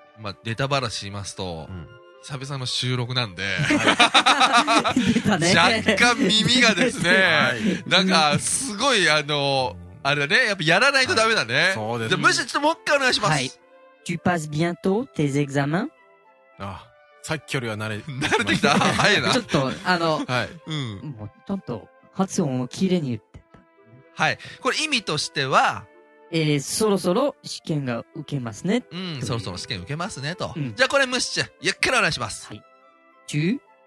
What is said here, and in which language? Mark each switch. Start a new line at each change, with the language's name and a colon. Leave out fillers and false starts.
Japanese: まあ、ネタバラしますと、うん、久々の収録なんで、はい、若干耳がですね、はい、なんかすごいあのあれだね、やっぱやらないとダメだね、はい、そうですね。むしろちょっともう一回お願いします。はい、
French: tu passes bientôt tes examens。
Japanese: あ、さっきよりは慣れ、慣れてきた。早いな。ちょっと、あの、はい、うん。もう、ちょっと、発音を綺麗に言ってた。はい。これ意味としては、そろそろ試験が受けますね。うん、そろそろ試験受けますね、と。うん、じゃあこれ、ムッシュ、ゆっくりお願いします。はい。tu,